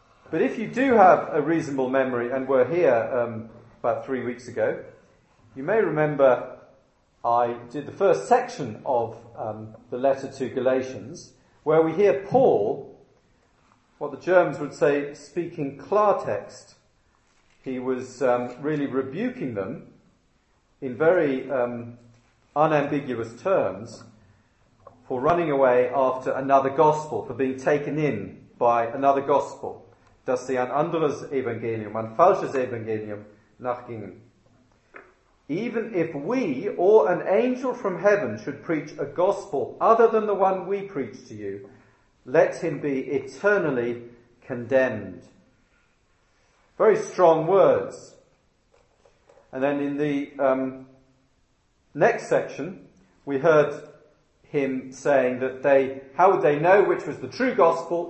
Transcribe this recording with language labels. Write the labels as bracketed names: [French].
[English] But if you do have a reasonable memory and were here about 3 weeks ago, you may remember I did the first section of the letter to Galatians, where we hear Paul, what the Germans would say, speaking Klartext. He was really rebuking them in very unambiguous terms for running away after another gospel, for being taken in by another gospel. [German] Dass sie ein anderes Evangelium, ein falsches Evangelium nachgingen. [English] Even if we or an angel from heaven should preach a gospel other than the one we preach to you, let him be eternally condemned. Very strong words. And then in the next section, we heard him saying that how would they know which was the true gospel?